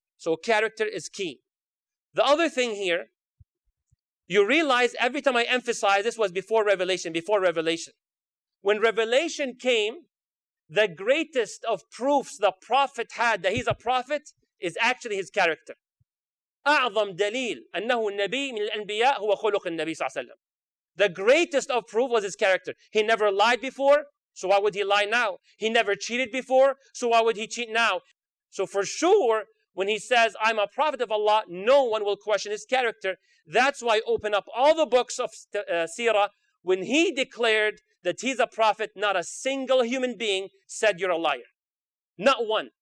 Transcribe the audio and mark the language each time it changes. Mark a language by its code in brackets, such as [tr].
[en] So character is key. The other thing here, you realize every time I emphasize this was before revelation. When revelation came, the greatest of proofs the Prophet had that he's a prophet is actually his character. [ar] أعظم دليل أنه النبي من الأنبياء هو خلق النبي صلى الله عليه وسلم. [en] The greatest of proof was his character. He never lied before, so why would he lie now? He never cheated before, so why would he cheat now? So for sure, when he says, I'm a prophet of Allah, no one will question his character. That's why I open up all the books of Seerah. When he declared that he's a prophet, not a single human being said, you're a liar. Not one.